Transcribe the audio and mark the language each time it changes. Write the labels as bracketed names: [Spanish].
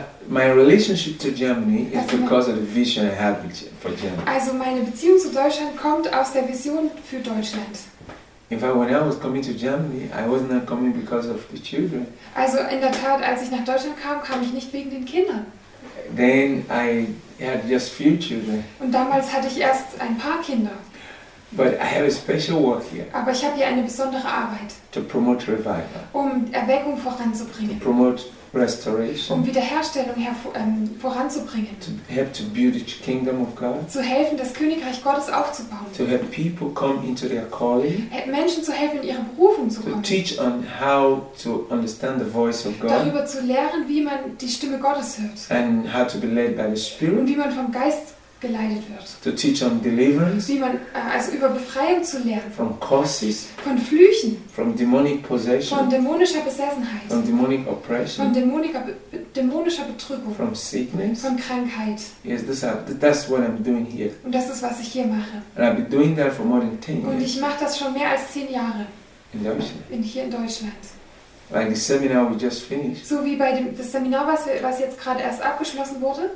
[English] My relationship to Germany is because of the vision I have for Germany. [German] Also meine Beziehung zu Deutschland kommt aus der Vision für Deutschland. [English] In fact, when I was coming to Germany, I was not coming because of the children. [German] Also in der Tat, als ich nach Deutschland kam, kam ich nicht wegen den Kindern. [English] Then I had just few children. [German] Und damals hatte ich erst ein paar Kinder. [English] But I have a special work here. [German] Aber ich habe hier eine besondere Arbeit. [English] To promote revival. [German] Um Erweckung voranzubringen. [English] To promote restoration. [German] Um Wiederherstellung voranzubringen. [English] To help to build the kingdom of God. [German] Zu helfen, das Königreich Gottes aufzubauen. [English] To help people come into their calling. [German] Menschen zu helfen, in ihre Berufung zu kommen. [English] To teach on how to understand the voice of God. [German] Darüber zu lernen, wie man die Stimme Gottes hört. [English] And how to be led by the Spirit. [German] Und wie man vom Geist geleitet wird. [English] To teach on deliverance. [German] Wie man also über Befreiung zu lernen. [English] From curses. [German] Von Flüchen. [English] From demonic possession. [German] Von dämonischer Besessenheit. [English] From demonic oppression. [German] Von dämonischer Bedrückung. [English] From sickness. [German] Von Krankheit. [English] Yes, that's what I'm doing here. [German] Und das ist, was ich hier mache. [English] And I've been doing that for more than 10 years. [German] Und ich mache das schon mehr als 10 Jahre. In Deutschland. Hier in Deutschland. [English] Like the seminar we just finished. [German] So wie bei dem Seminar, was jetzt gerade erst abgeschlossen wurde.